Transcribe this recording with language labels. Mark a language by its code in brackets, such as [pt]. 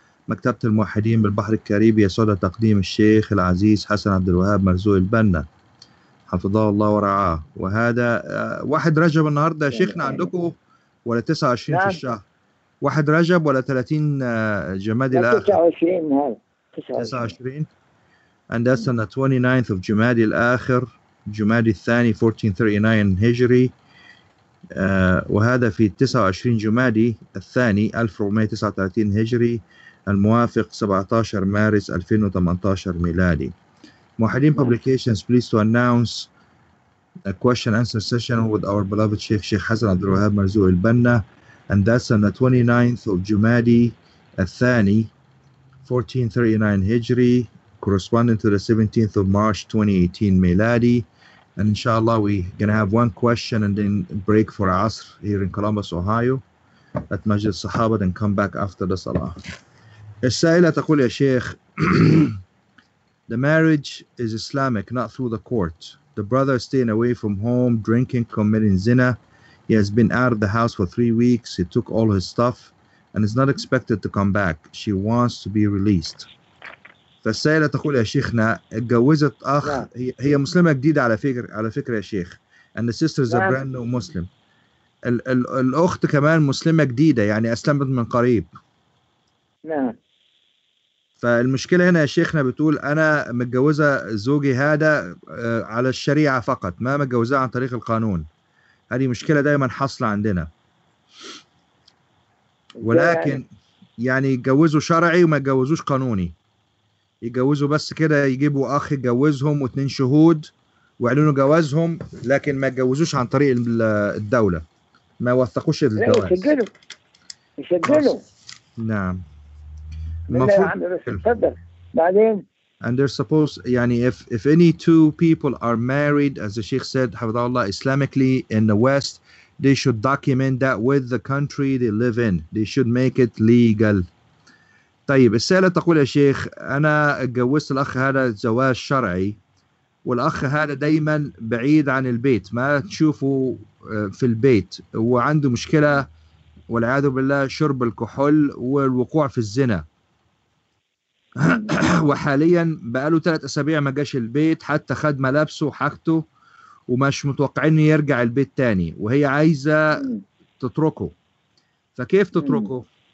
[ar] مكتبة الموحدين بالبحر الكاريبي يسعد تقديم الشيخ العزيز حسن عبد الوهاب مرزوق البنا حفظه الله ورعاه. وهذا 1 رجب النهاردة يا شيخنا عندكم، ولا 29 في الشهر؟ 1 رجب ولا 30 جمادي الآخر؟ 29. [en] And that's on the 29th of [ar] جمادي الآخر، جمادي الثاني 1439 هجري. وهذا في 29 جمادي الثاني 1439 هجري، الموافق 17 مارس 2018 ميلادي. [en] موحدين Publications pleased to announce a question answer session with our beloved Sheikh Sheikh Hassan Abdul Wahab Marzouq Al-Banna, and that's on the 29th of [ar] جمادي الثاني 1439 هجري، [en] corresponding to the 17th of March 2018 ميلادي. And inshallah, we're going to have one question and then break for Asr here in Columbus, Ohio, at Masjid Sahaba, and come back after the Salah. [ar] As-sa'ila taqul ya Shaykh, [en] the marriage is Islamic, not through the court. The brother is staying away from home, drinking, committing zina. He has been out of the house for 3 weeks. He took all his stuff and is not expected to come back. She wants to be released. [ar] فالسائلة تقول يا شيخنا اتجوزت أخ هي مسلمة جديدة على فكرة يا شيخ، [en] and the sister is a brand new Muslim. [ar] الأخت كمان مسلمة جديدة يعني أسلمت من قريب. نعم. فالمشكلة هنا يا شيخنا بتقول أنا متجوزة زوجي هذا على الشريعة فقط، ما متجوزة عن طريق القانون. هذه مشكلة دائما حصل عندنا، ولكن يعني يتجوزوا شرعي وما يتجوزوش قانوني، يتجوزوا بس كده يجيبوا أخ يتجوزهم واثنين شهود ويعلنوا جوازهم، لكن ما يتجوزوش عن طريق الدولة، ما يوثقوش الجواز. يسجلوا. نعم. المفروض. تفضل. بعدين. [en] And they're supposed يعني if any two people are married as the Sheikh said [ar] حفظه الله [en] Islamically in the West, they should document that with the country they live in. They should make it legal. [ar] طيب السائلة تقول يا شيخ أنا اتجوزت الأخ هذا زواج شرعي، والأخ هذا دايما بعيد عن البيت، ما تشوفه في البيت، وعنده مشكلة والعياذ بالله شرب الكحول والوقوع في الزنا، وحاليا بقاله 3 أسابيع ما جاش البيت، حتى خد ملابسه وحاجته ومش متوقعين يرجع البيت تاني، وهي عايزة تتركه، فكيف تتركه؟